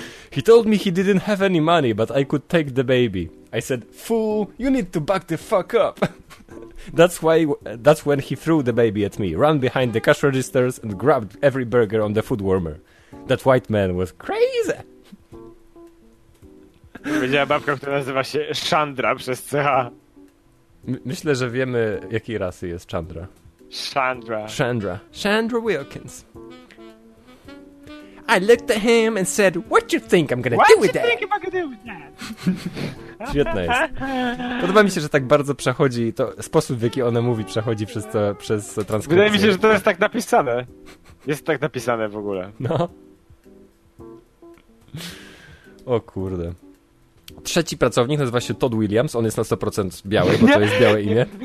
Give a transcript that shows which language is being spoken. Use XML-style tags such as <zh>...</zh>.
<en>He told me he didn't have any money, but I could take the baby. I said, fool, you need to back the fuck up. That's when he threw the baby at me, ran behind the cash registers and grabbed every burger on the food warmer. That white man was crazy.</en> <pl>Powiedziała babka, która nazywa się Chandra przez CH. Myślę, że wiemy, jakiej rasy jest Chandra. Chandra. Chandra Wilkins.</pl> <en>I looked at him and said, what you think I'm gonna what do with that?</en> <pl>Świetna jest. Podoba mi się, że tak bardzo przechodzi, to sposób, w jaki ona mówi, przechodzi przez transkrypcję. Wydaje mi się, że to jest tak napisane. Jest tak napisane w ogóle. No. O kurde. Trzeci pracownik nazywa się Todd Williams, on jest na 100% biały, bo to jest białe imię.</pl>